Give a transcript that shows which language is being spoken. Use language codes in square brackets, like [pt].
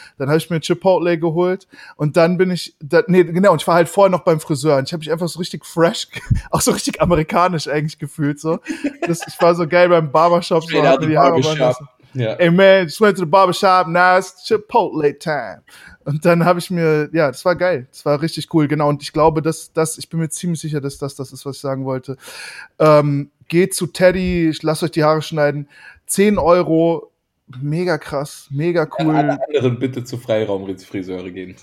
[de] Dann habe ich mir Chipotle geholt und dann bin ich, und ich war halt vorher noch beim Friseur. Und ich habe mich einfach so richtig fresh, auch so richtig amerikanisch eigentlich gefühlt. So, ich war so geil beim Barbershop. Ich hatte die Haare waren so. [en] Hey man, just went to the barbershop, now it's Chipotle time. [de] Und dann habe ich mir, ja, das war geil, das war richtig cool, genau. Und ich glaube, dass ich bin mir ziemlich sicher, dass das ist, was ich sagen wollte. Geht zu Teddy, ich lasse euch die Haare schneiden. 10 €, mega krass, mega cool. Alle anderen bitte zu Freiraum-Friseure gehen.